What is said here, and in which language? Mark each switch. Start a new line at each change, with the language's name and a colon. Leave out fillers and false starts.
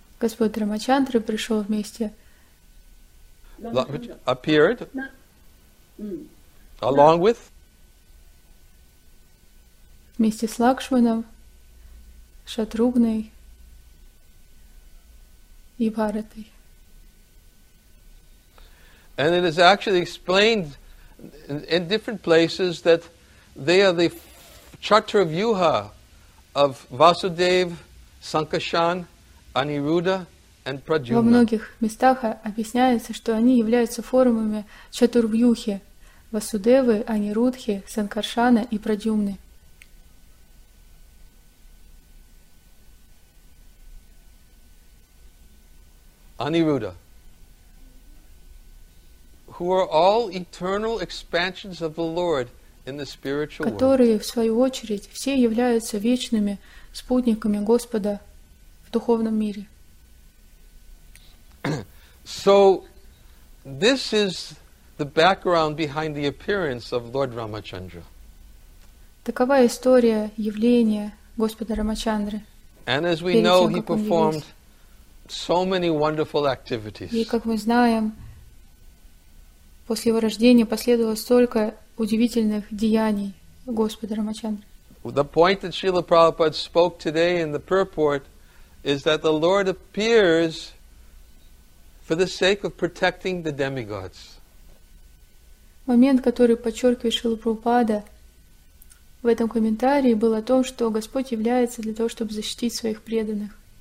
Russian: Господь Рамачандра пришел вместе.
English: Appeared along with
Russian: вместе с Лакшманом, Шатругной и Бхаратой.
English: And it is actually explained in different places that they are the Chaturvyuha of Vasudev, Sankarshan, Aniruddha and Pradyumna.
Russian: Во многих местах объясняется, что они являются формами Чатурвьюхи, Васудевы, Анирудхи, Санкаршана и Прадюмны.
English: Aniruddha, who are all eternal expansions of the Lord in the spiritual world.
Russian: Которые, в свою очередь, все являются вечными спутниками Господа в духовном мире.
English: So, this is the background behind the appearance of Lord Ramachandra.
Russian: Такова история явления Господа Рамачандры.
English: And as we know, he performed so many wonderful activities.
Russian: И, как мы знаем, после его рождения последовало столько удивительных деяний Господа Рамачандры.
English: The point that Srila Prabhupada spoke today in the purport is that the Lord appears for the sake of protecting the demigods.
Russian: Момент, который подчеркивает Шрила Прабхупада в этом комментарии, был о том, что Господь является для того, чтобы защитить своих преданных.